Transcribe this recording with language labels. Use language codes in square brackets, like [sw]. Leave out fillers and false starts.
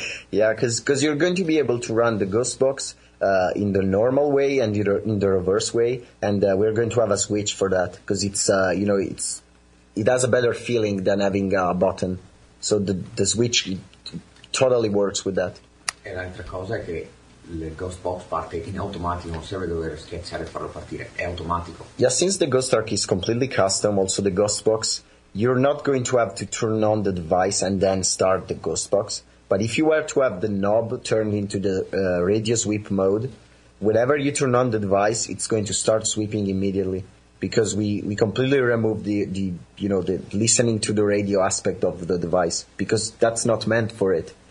[en] Yeah, because you're going to be able to run the Ghost Box in the normal way and in the reverse way, and we're going to have a switch for that, because it has a better feeling than having a button. So the switch totally works with that. [it] E l'altra cosa è che il Ghost Box parte in automatico, non serve dover schiacciare e farlo partire, è automatico. [en] Yeah, since the Ghost Arc is completely custom, also the Ghost Box, you're not going to have to turn on the device and then start the Ghost Box. But if you were to have the knob turned into the radio sweep mode, whenever you turn on the device, it's going to start sweeping immediately, because we completely remove the listening to the radio aspect of the device, because that's not meant for it.